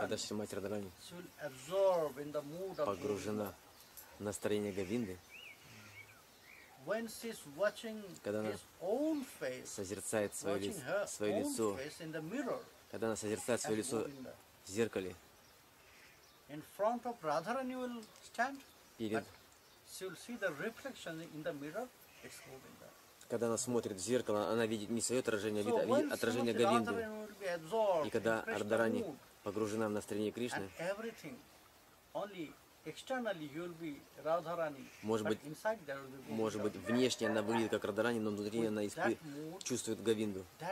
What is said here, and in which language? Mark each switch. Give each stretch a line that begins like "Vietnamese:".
Russian: когда Srimati Radharani
English: absorb in the mood of
Russian: погружена в настроение Говинды.
English: When she is watching
Russian: когда
English: his own face,
Russian: созерцает свое лицо,
English: in the mirror,
Russian: когда она созерцает свое лицо в зеркале,
English: in front of Radharani will stand, but she will see the reflection in the mirror, it's moving there.
Russian: Когда она смотрит в зеркало, она видит не свое отражение, а видит отражение Говинды. И когда Радхарани погружена в настроение Кришны, может быть, внешне она выглядит как Радхарани, но внутри она чувствует Говинду.